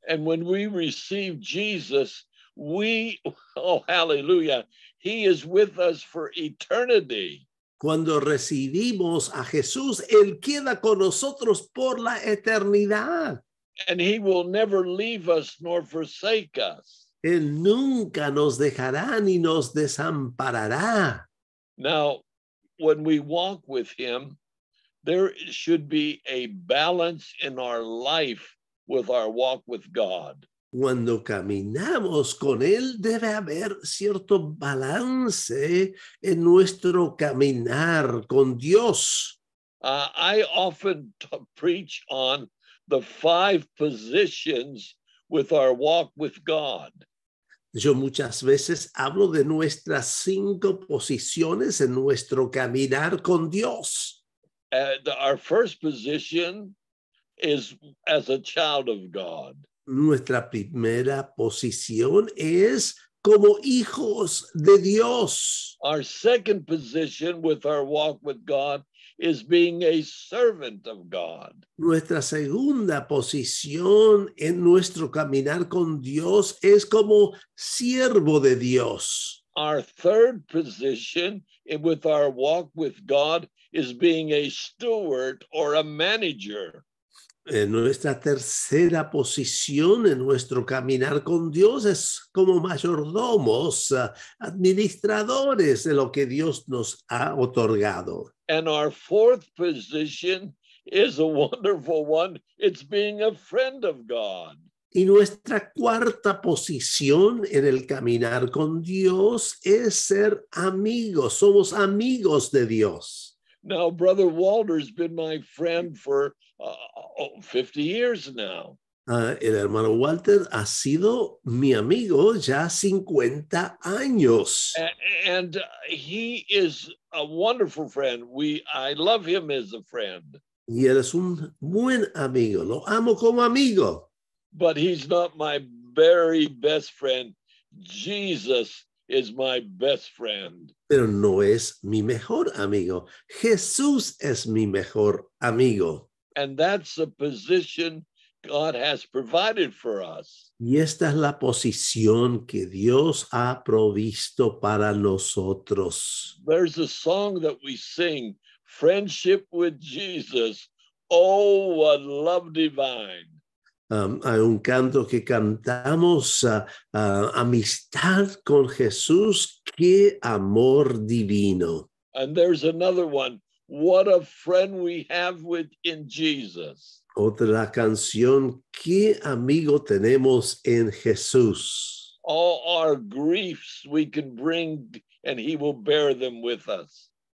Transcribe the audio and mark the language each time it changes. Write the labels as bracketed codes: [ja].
[en] And when we receive Jesus, hallelujah, he is with us for eternity. [es] Cuando recibimos a Jesús, él queda con nosotros por la eternidad. [en] And he will never leave us nor forsake us. [es] Él nunca nos dejará ni nos desamparará. [en] Now, when we walk with him, there should be a balance in our life with our walk with God. [es] Cuando caminamos con él, debe haber cierto balance en nuestro caminar con Dios. [en] I often preach on the five positions with our walk with God. [es] Yo muchas veces hablo de nuestras cinco posiciones en nuestro caminar con Dios. [en] Our first position is as a child of God. [es] Nuestra primera posición es como hijos de Dios. [en] Our second position with our walk with God is being a servant of God. [es] Nuestra segunda posición en nuestro caminar con Dios es como siervo de Dios. [en] Our third position with our walk with God is being a steward or a manager. [es] En nuestra tercera posición en nuestro caminar con Dios es como mayordomos, administradores de lo que Dios nos ha otorgado. [en] And our fourth position is a wonderful one. It's being a friend of God. [es] Y nuestra cuarta posición en el caminar con Dios es ser amigos. Somos amigos de Dios. [en] Now, Brother Walter's been my friend for 50 years now. [es] El hermano Walter ha sido mi amigo ya 50 años. [en] And he is a wonderful friend. I love him as a friend. [es] Y él es un buen amigo. Lo amo como amigo. [en] But he's not my very best friend. Jesus is my best friend. [es] Pero no es mi mejor amigo. Jesús es mi mejor amigo. [en] And that's the position God has provided for us. [es] Y esta es la posición que Dios ha provisto para nosotros. [en] There's a song that we sing, Friendship with Jesus. Oh, what love divine. [es] Hay un canto que cantamos, amistad con Jesús, qué amor divino. [en] And there's another one, what a friend we have with in Jesus. [es] Otra canción, qué amigo tenemos en Jesús. [en] All our griefs we can bring and he will bear them with us.